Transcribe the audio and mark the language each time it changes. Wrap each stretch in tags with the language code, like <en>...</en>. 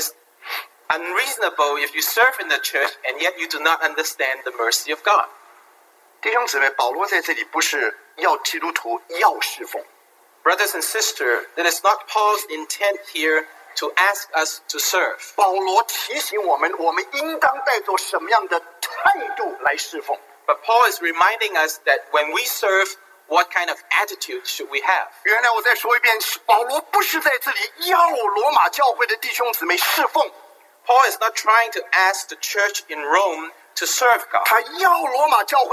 <en>is unreasonable if you serve in the church and yet you do not understand the mercy of God.</en> <zh>弟兄姊妹，保罗在这里不是要基督徒要侍奉。</zh> <en>Brothers and sisters, it is not Paul's intent here to ask us to serve.</en> <zh>保罗提醒我们，我们应当带着什么样的态度来侍奉。</zh> <en>But Paul is reminding us that when we serve, what kind of attitude should we have?</en> <zh>原来我再说一遍，保罗不是在这里要罗马教会的弟兄姊妹侍奉。</zh> <en>Paul is not trying to ask the church in Rome to serve God.</en>